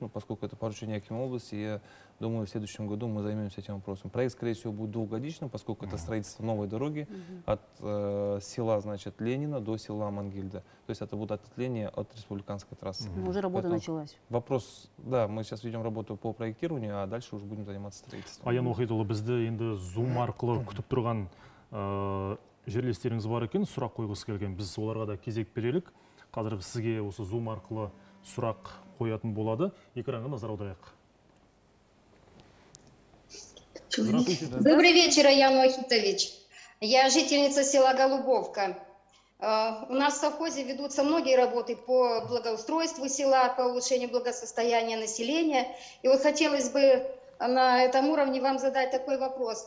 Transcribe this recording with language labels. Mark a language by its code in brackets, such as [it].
[ru] Но поскольку это поручение Акима области, я думаю, в следующем году мы займемся этим вопросом. Проект, скорее всего, будет двухгодичным, поскольку это строительство новой дороги от села, значит, Ленина до села Мангельда. То есть это будет ответвление от республиканской трассы. Уже работа началась. Вопрос, да, мы сейчас ведем работу по проектированию, а дальше уже будем заниматься строительством. [kk] Аян Охайдулы, бізді енді зум арқылы күтіп тұрған жерлестеріңіз бар екен, сұрақ қойғысы келген. Біз оларға да кезек берелік. Қазір сізге осы зум арқылы сұрақ қоятын болады. Экранға назар аударайық. [ru] Добрый вечер, Аян Вахитович. Я жительница села Голубовка. У нас в совхозе ведутся многие работы по благоустройству села, по улучшению благосостояния населения. И вот хотелось бы на этом уровне вам задать такой вопрос.